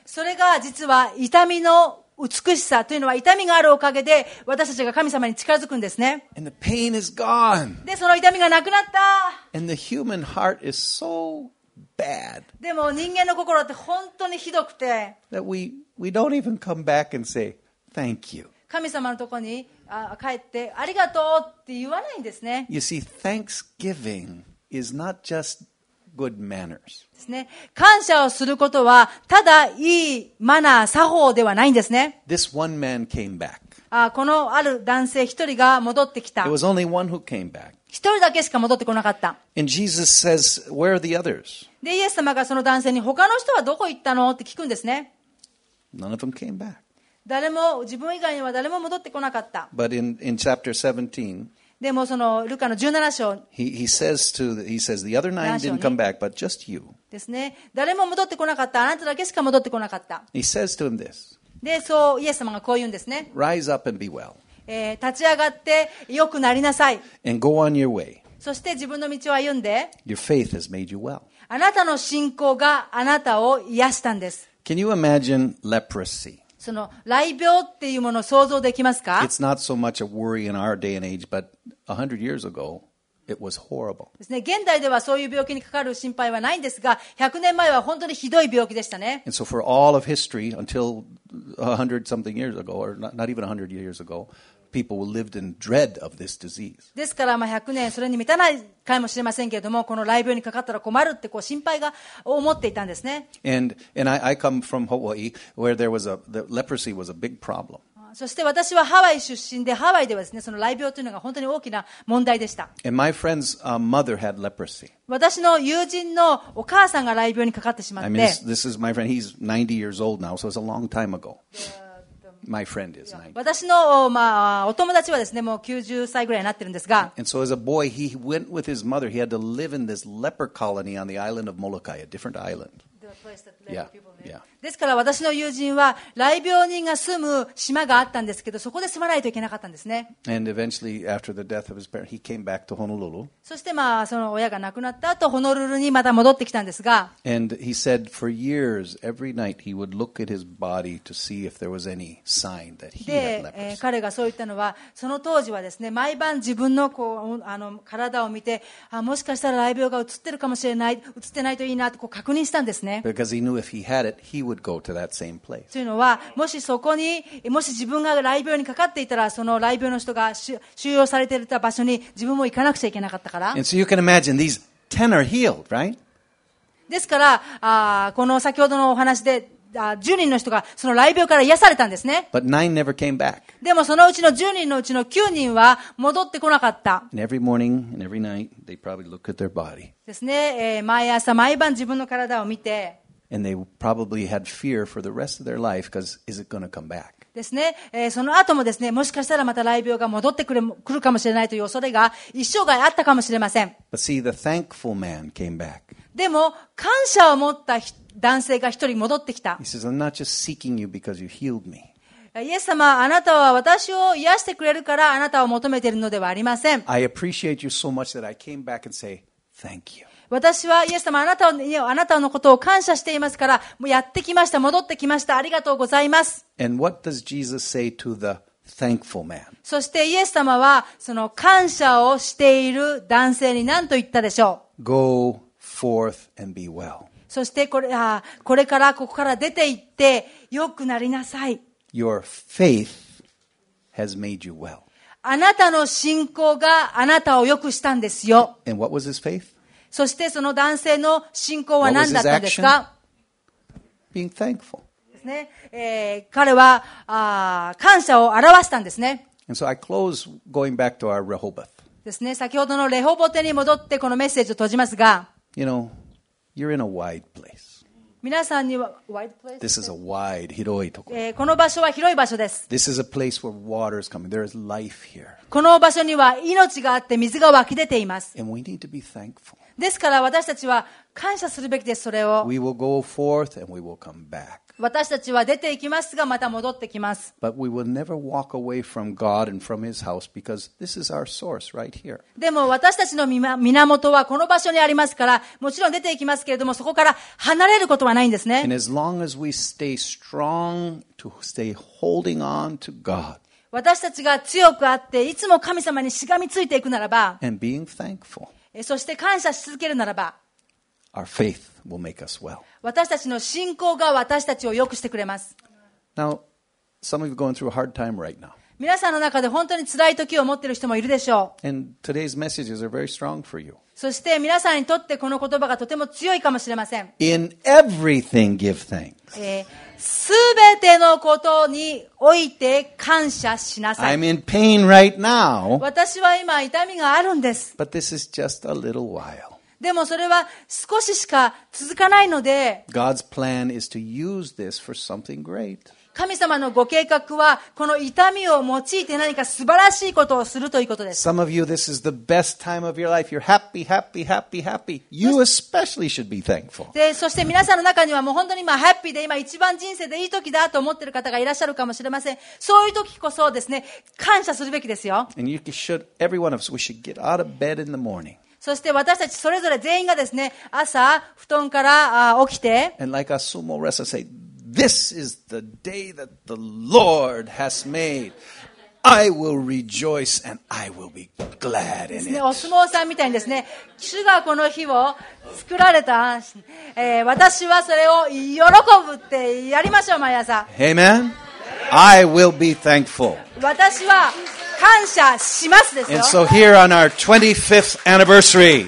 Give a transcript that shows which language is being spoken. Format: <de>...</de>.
<ja>それが実は痛みの美しさというのは痛みがあるおかげで私たちが神様に近づくんですね。</ja> <en>And the pain is gone.</en> <ja>でその痛みがなくなった。</ja> <en>And the human heart is so bad.</en> <ja>でも人間の心って本当にひどくて。</ja> <en>That we don't even come back and say thank you.</en> <ja>神様のところに帰ってありがとうって言わないんですね。</ja> <en>You see, thanksgiving is not just good manners.</en> <ja>ですね。感謝をすることはただいいマナー、作法ではないんですね。</ja> <en>This one man came back.</en> <ja>このある男性一人が戻ってきた。</ja> <en>It was only one who came back.</en> <ja>一一人だけしか戻ってこなかった。</ja> <en>And Jesus says, where are the others?</en> <ja>で、イエス様がその男性に他の人はどこ行ったのって聞くんですね。</ja> <en>None of them came back.</en> <ja>誰も、自分以外には誰も戻ってこなかった。</ja> <en>But in chapter 17,</en> <ja>でもそのルカの17章、</ja> <en>he says the other nine didn't come back, but just you.</en> <ja>ですね。誰も戻ってこなかった。あなただけしか戻ってこなかった。</ja> <en>He says to him this.</en> <ja>で、そうイエス様がこう言うんですね。</ja> <en>Rise up and be well.</en> <ja>立ち上がって良くなりなさい。</ja> <en>And go on your way.</en> <ja>そして自分の道を歩んで。</ja> <en>Your faith has made you well.</en> <ja>あなたの信仰があなたを癒したんです。</ja> <en>Can you imagine leprosy?</en> <ja>その癩病っていうものを想像できますか?</ja> <en>It's not so much a worry in our day and age, but 100 years ago, it was horrible.</en> <ja>ですね。現代ではそういう病気にかかる心配はないんですが、100年前は本当にひどい病気でしたね。</ja> <en>And so for all of history, until 100 something years ago, or not even 100 years ago,People lived in dread of this disease.</en> <ja>ですからまあ100年それに満たないかもしれませんけれどもこの癩病にかかったら困るってこう心配が思っていたんですね。</ja> <en>And I come from Hawaii where the leprosy was a big problem.</en> <ja>そして私はハワイ出身でハワイではですねその癩病というのが本当に大きな問題でした。</ja> <en>And my friend's mother had leprosy.</en> <ja>私の友人のお母さんが癩病にかかってしまって。</ja> <en>I mean, this is my friend. He's 90 years old now, so it's a long time ago. My friend is 90.</en> <ja>私の、まあ、お友達はですね、もう90歳ぐらいになってるんですが。</ja> <en>And so as a boy, he went with his mother. He had to live in this leper colony on the island of Molokai, a different island. The place that leper people live.</en> <ja>ですから私の友人は、癩病人が住む島があったんですけど、そこで住まないといけなかったんですね。</ja> <en>And eventually, after the death of his parents, he came back to Honolulu.</en> <ja>そして、まあ、その親が亡くなった後、ホノルルにまた戻ってきたんですが。</ja> <en>And he said, for years, every night, he would look at his body to see if there was any sign that he had leprosy.</en> <ja>で、彼がそう言ったのは、その当時はですね、毎晩自分のこう、あの、体を見て、あ、もしかしたら癩病が映ってるかもしれない、映ってないといいなとこう確認したんですね。</ja> <en>Because he knew if he had it, he would go to that same place.</en> <ja>というのは、もしそこに、もし自分が癩病にかかっていたら、その癩病の人が収容されていた場所に自分も行かなくちゃいけなかったから。</ja> <en>And so you can imagine these 10 are healed, right?</en> <ja>ですから、この先ほどのお話で、10人の人がその癩病から癒されたんですね。</ja> <en>But nine never came back.</en> <ja>でもそのうちの10人のうちの9人は戻ってこなかった。</ja> <en>And every morning and every night, they probably look at their body.</en> <ja>ですね、毎朝毎晩自分の体を見て。</ja> <en>And they probably had fear for the rest of their life because is it going to come back?</en> <ja>ですね、その後もですね、もしかしたらまた癩病が戻ってくるかもしれないという恐れが一生涯あったかもしれません。</ja> <en>But see, the thankful man came back.</en> <ja>でも感謝を持った人男性が一人戻ってきた。</ja> <en>He says, I'm not just seeking you because you healed me.</en> <ja>イエス様、あなたは私を癒してくれるからあなたを求めているのではありません。</ja> <en>I appreciate you so much that I came back and say, thank you.</en> <ja>私はイエス様、あなたのことを感謝していますから、もうやってきました、戻ってきました、ありがとうございます。</ja> <en>And what does Jesus say to the thankful man?</en> <ja>そしてイエス様は、その感謝をしている男性に何と言ったでしょう?</ja> <en>Go forth and be well.</en> <ja>そしてこれからここから出て行って良くなりなさい。</ja> <en>Your faith has made you well.</en> <ja>あなたの信仰があなたを良くしたんですよ。</ja> <en>And what was his faith?</en> <ja>そしてその男性の信仰は何だったんですか?</ja> <en>Being thankful.</en> <ja>ですね。彼は感謝を表したんですね。</ja> <en>And so I close going back to our Rehoboth.</en> <ja>ですね。先ほどのレホボテに戻ってこのメッセージを閉じますが。</ja> <en>You know,You're in a wide place.</en> <ja>皆さんには</ja> <en>wide place. This is a wide,</en> <ja>広いところ。この場所は広い場所です。</ja> <en>This is a place where water is coming. There is life here.</en> <ja>この場所には命があって水が湧き出ています。</ja> <en>And we need to be thankful.</en> <ja>ですから私たちは感謝するべきです、それを。</ja> <en>We will go forth and we will come back.</en> <ja>私たちは出て行きますが、また戻ってきます。</ja> <en>But we will never walk away from God and from His house because this is our source right here.</en> <ja>でも私たちの源はこの場所にありますから、もちろん出て行きますけれども、そこから離れることはないんですね。</ja> <en>And as long as we stay strong to stay holding on to God,</en> <ja>私たちが強くあって、いつも神様にしがみついていくならば、</ja> <en>and being thankful,</en> <ja>そして感謝し続けるならば、</ja> <en>Our faith will make us well.</en> <ja>私たちの信仰が私たちを良くしてくれます。</ja> <en>Now, some of you are going through a hard time right now.</en> <ja>皆さんの中で本当に辛い時を持っている人もいるでしょう。</ja> <en>And today's messages are very strong for you.</en> <ja>そして皆さんにとってこの言葉がとても強いかもしれません。</ja> <en>In everything, give thanks.</en> <ja>すべてのことにおいて感謝しなさい。</ja> <en>I'm in pain right now.</en> <ja>私は今痛みがあるんです。</ja> <en>But this is just a little while.</en> <ja>でもそれは少ししか続かないので。</ja> <en>God's plan is to use this for something great.</en> <ja>神様のご計画はこの痛みを用いて何か素晴らしいことをするということです。</ja> <en>Some of you, this is the best time of your life. You're happy, happy, happy, happy. You especially should be thankful.</en> <ja>で、そして皆さんの中にはもう本当に今ハッピーで今一番人生でいい時だと思っている方がいらっしゃるかもしれません。そういう時こそですね、感謝するべきですよ。</ja> <en>And you should, every one of us, we should get out of bed in the morning.</en> <ja>そして私たちそれぞれ全員がですね、朝布団から起きて、</ja> <en>And like a sumo wrestler said, This is the day that the Lord has made. I will rejoice and I will be glad in it.</en> <ja>お相撲さんみたいにですね、主がこの日を作られた、私はそれを喜ぶってやりましょう毎朝。</ja> <en>Amen. I will be thankful.</en> <ja>私は感謝しますですよ。</ja> <en>And so here on our 25th anniversary,</en>